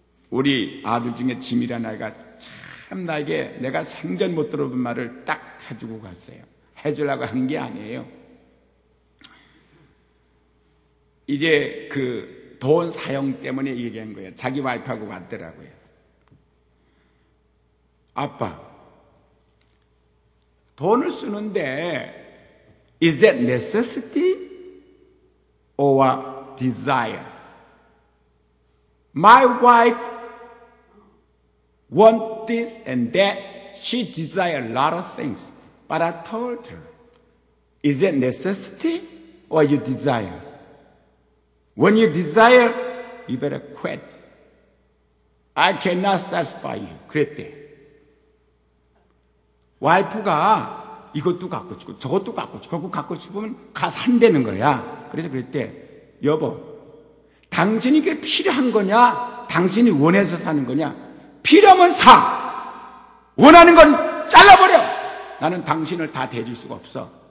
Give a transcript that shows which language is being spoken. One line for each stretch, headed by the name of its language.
Korean: 우리 아들 중에 짐이라는 아이가 참 나에게 내가 생전 못 들어본 말을 딱 해주고 갔어요. 해주려고 한 게 아니에요. 이제 그 돈 사용 때문에 얘기한 거예요. 자기 와이프하고 왔더라고요. 아빠, 돈을 쓰는데
English: is that necessity or desire? My wife want this and that. She desire a lot of things. But I told her, is that necessity or you desire? When you desire, you better quit. I cannot satisfy you.
Korean: 그랬대. 와이프가 이것도 갖고 싶고 저것도 갖고 싶고 결국 갖고 싶으면 가서 한다는 거야. 그래서 그랬대. 여보, 당신이 이게 필요한 거냐? 당신이 원해서 사는 거냐? 필요하면 사. 원하는 건 잘라버려. 나는 당신을 다 대줄 수가 없어.